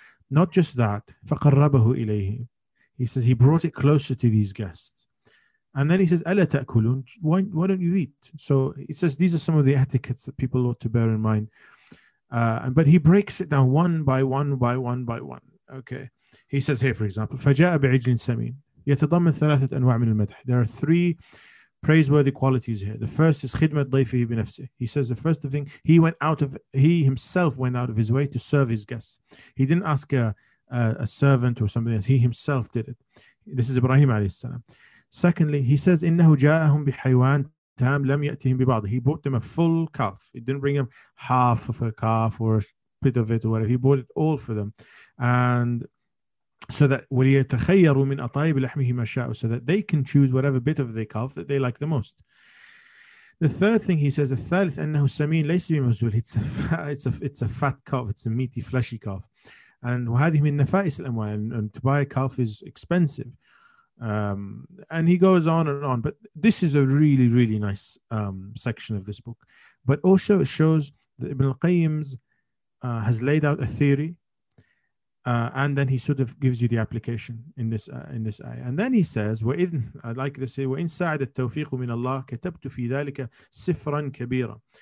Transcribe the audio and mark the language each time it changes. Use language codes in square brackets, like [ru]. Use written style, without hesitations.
[en] Not just that, [ar] فَقَرَّبَهُ إِلَيْهِ, [en] he says he brought it closer to these guests. And then he says, [ar] أَلَا تَأْكُلُونَ, [en] why don't you eat? So he says these are some of the etiquettes that people ought to bear in mind. But he breaks it down one by one by one by one. Okay. He says here, for example, [ar] فَجَاءَ بِعِجْلٍ سَمِينٍ يَتَضَمِّنْ ثَلَاثَةَ أَنْوَعٍ مِنَ الْمَدْحِ. [en] There are three praiseworthy qualities here. The first is [ar] خِدْمَةَ ضَيْفِهِ بِنَفْسِهِ. [en] He says the first thing, he himself went out of his way to serve his guests. He didn't ask a servant or somebody else. He himself did it. This is Ibrahim alayhi salam. Secondly, he says [ar] إِنَّهُ جَاءَهُمْ بِحَيْوَانٍ تَامٍ لَمْ يَأْتِهِمْ بِبَعْضٍ. [en] He brought them a full calf. He didn't bring them half of a calf or a bit of it or whatever. He bought it all for them. And so that [ar] وَلِيَتَخَيَّرُوا مِنْ أَطَائِبِ لَحْمِهِ مَا شَاءُ, [en] so that they can choose whatever bit of their calf that they like the most. The third thing he says, [ar] الثالث أنه سمين ليس بمزول, [en] it's a fat calf, it's a meaty, fleshy calf. And [ar] وَهَذِهِ مِنْ نَفَائِسِ الْأَمْوَالِ, [en] and to buy a calf is expensive. And he goes on and on. But this is a really, really nice section of this book. But also it shows that Ibn al-Qayyim's has laid out a theory, and then he sort of gives you the application in this ayah. And then he says, [ar] وَإِذْ, [en] I like to say, [ar] وَإِنْ سَعَدَ التَّوْفِيقُ مِنَ اللَّهِ كَتَبْتُ فِي ذَلِكَ سِفْرًا كَبِيرًا.